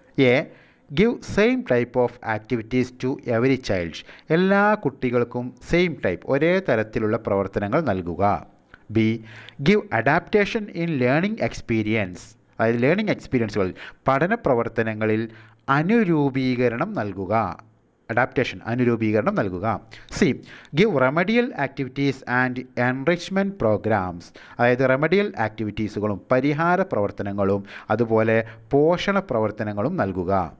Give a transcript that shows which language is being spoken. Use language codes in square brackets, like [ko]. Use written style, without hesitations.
[en] A Give same type of activities to every child. [ml] എല്ലാ കുട്ടികൾക്കും [en] same type, [ml] ഒരേ തരത്തിലുള്ള പ്രവർത്തനങ്ങൾ നൽകുക. [en] B. Give adaptation in learning experience. [ml] അതായത് ലേണിംഗ് എക്സ്പീരിയൻസുകൾ, പഠന പ്രവർത്തനങ്ങളിൽ അനുരൂപീകരണം നൽകുക. അഡാപ്റ്റേഷൻ, അനുരൂപീകരണം നൽകുക. [en] C give remedial activities and enrichment programmes, [ml] അതായത് റെമഡിയൽ ആക്ടിവിറ്റീസുകളും പരിഹാര പ്രവർത്തനങ്ങളും അതുപോലെ പോഷണ പ്രവർത്തനങ്ങളും നൽകുക.